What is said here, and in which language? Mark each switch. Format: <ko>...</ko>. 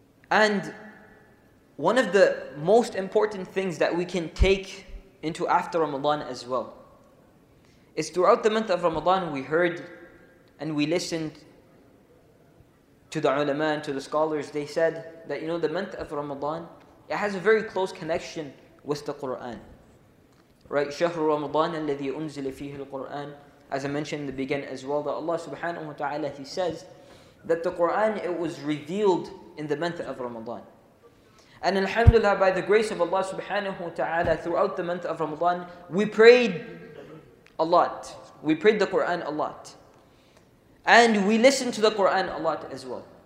<en>And one of the most important things that we can take into after Ramadan as well, is throughout the month of Ramadan, we heard and we listened to the ulama and to the scholars. They said that, you know, the month of Ramadan, it has a very close connection with the Quran. Right?</en> <ar>شهر رمضان الذي أنزل فيه القرآن.</ar> <en>As I mentioned in the beginning as well, that Allah subhanahu wa ta'ala, he says that the Quran, it was revealed in the month of Ramadan. And alhamdulillah, by the grace of Allah subhanahu wa ta'ala, throughout the month of Ramadan, we prayed a lot. We prayed the Quran a lot. And we listened to the Quran a lot as well.</en>